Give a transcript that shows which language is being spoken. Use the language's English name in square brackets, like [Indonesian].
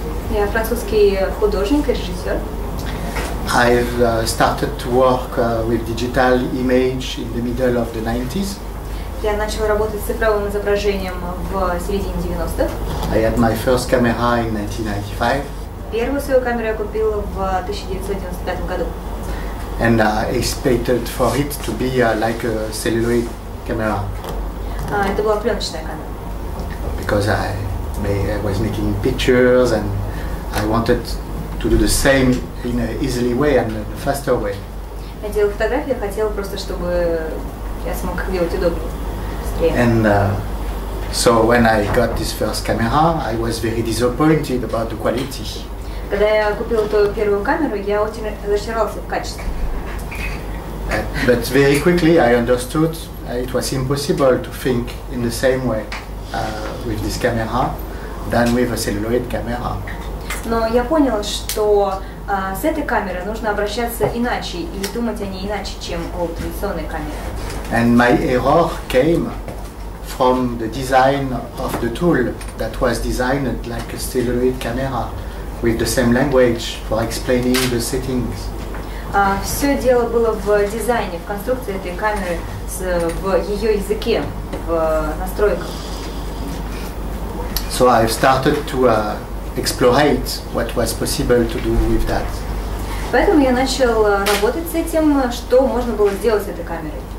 [Russian] Я французский художник и режиссер. [English] I've started to work with digital image in the middle of the 90s. [Russian] Я начал работать с цифровым изображением в середине 90-х. [English] I had my first camera in 1995. [Russian] Первую свою камеру я купил в 1995 году. [English] And I expected for it to be like a celluloid camera. [Russian] Это была пленочная камера. [English] Because I was making pictures and I wanted to do the same in an easily way and a faster way. [Russian] Я делал фотографии, хотел просто, чтобы я смог делать удобнее, быстрее. [English] And so when I got this first camera, I was very disappointed about the quality. [Russian] Когда я купил эту первую камеру, я очень разочаровался в качестве. [English] But very quickly I understood it was impossible to think in the same way with this camera than with a celluloid camera. [Russian] Но я понял, что с этой камерой нужно обращаться иначе и думать о ней иначе, чем о традиционной камере. [English] And my error came from the design of the tool that was designed like a celluloid camera with the same language for explaining the settings. [Russian] Все дело было в дизайне, в конструкции этой камеры, в ее языке, в настройках. [English] So I've started to explorate what was possible to do with that. [Russian] Поэтому я начал работать с этим, что можно было сделать с этой камерой.